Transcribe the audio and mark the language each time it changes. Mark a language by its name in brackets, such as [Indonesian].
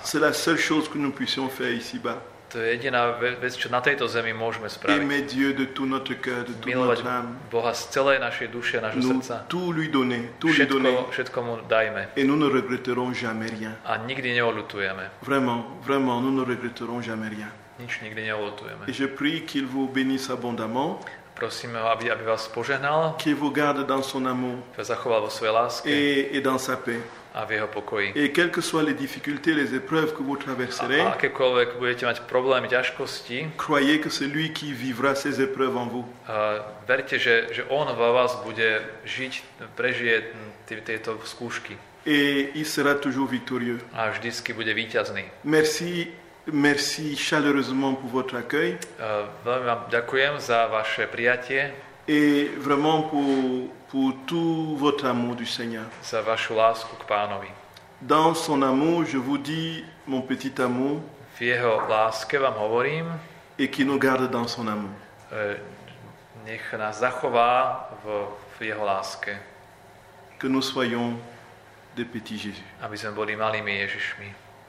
[French] C'est la seule chose que nous puissions faire ici-bas. [Slovak] To je jediná vec, čo na tejto zemi môžeme spraviť. [French] Aimer Dieu de tout notre cœur, de tout [Slovak] milovať [French] notre âme. [Slovak] Boha z celej našej duše, našho srdca. [French] Tout lui donner, tout lui donner. [Slovak] Všetko mu dajme. [French] Et nous ne regretterons jamais rien. [Slovak] A nikdy neolutujeme. [French] Vraiment, nous ne regretterons jamais rien. [Slovak] Nič nikdy neolutujeme. [French] Et je prie qu'il vous bénisse abondamment. [Slovak] Prosím, aby vás požehnal. [French] Qu'il vous garde dans son amour. [Slovak] Aby vás zachoval vo svojej láske. [French] Et dans sa paix. [Slovak] A v jeho pokoji. [French] Et quelles que soient les difficultés, les épreuves que vous traverserez, [Slovak] a akékoľvek budete mať problémy, ťažkosti, [French] croyez que c'est lui qui vivra ces épreuves en vous. [Slovak] Verte, že on vo vás bude žiť, prežije tieto skúšky. [French] Et il sera toujours victorieux. [Slovak] A vždycky bude víťazný. [French] Merci chaleureusement pour votre accueil. [Slovak] Veľmi vám ďakujem za vaše prijatie. [French] Et vraiment pour tout votre amour du Seigneur. [Slovak] Za vašu lásku k Pánovi. [French] Dans son amour, je vous dis mon petit amour. [Slovak] V jeho láske vám hovorím. [French] Et qui nous garde dans son amour. [Slovak] Nech nás zachová v jeho láske. [French] Que nous soyons des petits Jésus. [Slovak] Aby sme boli malými Ježišmi.